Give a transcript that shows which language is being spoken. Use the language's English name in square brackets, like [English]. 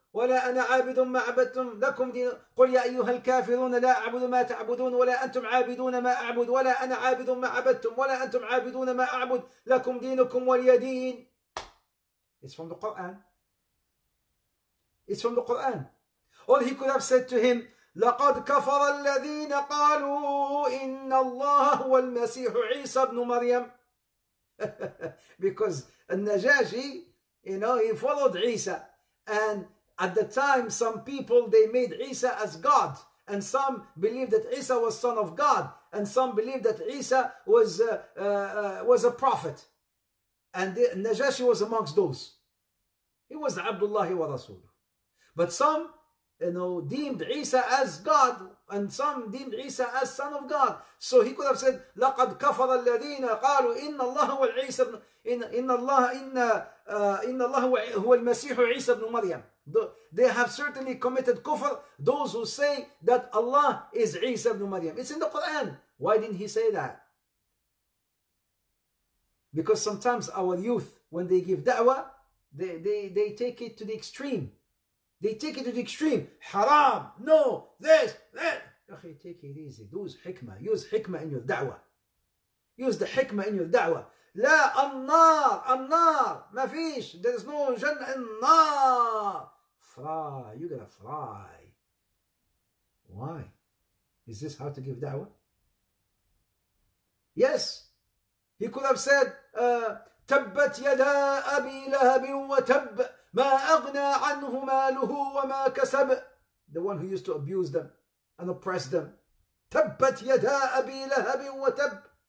[Arabic] ولا أنا عابد ما عبدتم لكم دين قل يا أيها الكافرون لا أعبد ما تعبدون ولا أنتم عابدون ما أعبد ولا أنا عابد ما عبدتم ولا أنتم عابدون ما أعبد لكم دينكم ولي دين. [English] It's from the Quran. It's from the Quran. [Arabic] All he could have said to him, لقد كفر الذين قالوا إن الله هو المسيح عيسى بن مريم. [English] Because النجاشي, you know, he followed عيسى. And at the time, some people, they made Isa as God. And some believed that Isa was son of God. And some believed that Isa was a prophet. And Najashi was amongst those. He was Abdullah wa Rasuluh. But some, you know, deemed Isa as God. And some deemed Isa as son of God. [Arabic] So he could have said, لَقَدْ كَفَرَ الَّذِينَ قَالُوا إِنَّ اللَّهَ وَالْعِيسَ إِنَّ اللَّهَ هُوَ الْمَسِيحُ عِيسَ بْنُ مَرْيَمَ. [English] They have certainly committed kufr, those who say that Allah is Isa ibn Maryam. It's in the Quran. Why didn't he say that? Because sometimes our youth, when they give da'wah, they take it to the extreme. They take it to the extreme. Haram, no, this, that. Okay, take it easy. Use hikmah in your da'wah. Use the hikmah in your da'wah. [Arabic] لا النار النار ما فيش. [English] There is no جنة النار. Fry, you gotta fry. Why? Is this how to give da'wah? Yes. [Arabic] He could have said, تبت يدا أبي لهب وتب ما أغنى عنه ماله وما كسب. [English] The one who used to abuse them and oppress them. [Arabic] تبت يدا أبي لهب وتب.